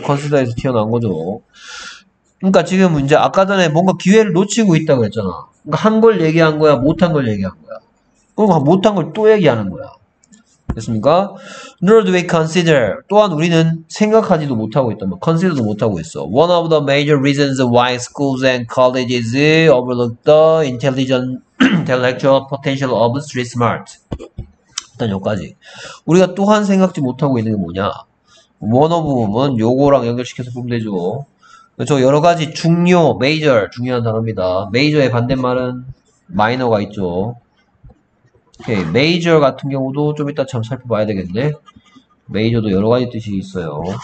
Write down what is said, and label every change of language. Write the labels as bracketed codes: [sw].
[ko] 컨시더에서 튀어나온 거죠. 그러니까 지금 이제 아까 전에 뭔가 기회를 놓치고 있다고 그랬잖아. 그러니까 한걸 얘기한 거야, 못한 걸 얘기한 거야. 그러니까 못한 걸또 얘기하는 거야. [en] 됐습니까? Nor do we consider. [ko] 또한 우리는 생각하지도 못하고 있단 말이야. Consider도 못하고 있어. [en] One of the major reasons why schools and colleges overlook the intelligent intellectual potential of street smart. [ko] 일단 여기까지. 우리가 또한 생각지 못하고 있는 게 뭐냐? 원어부분은 요거랑 연결시켜서 보면 되죠. 그렇죠. 여러 가지 중요, 메이저, 중요한 단어입니다. 메이저의 반대말은 마이너가 있죠. 오케이. 메이저 같은 경우도 좀 이따 참 살펴봐야 되겠네. 메이저도 여러 가지 뜻이 있어요.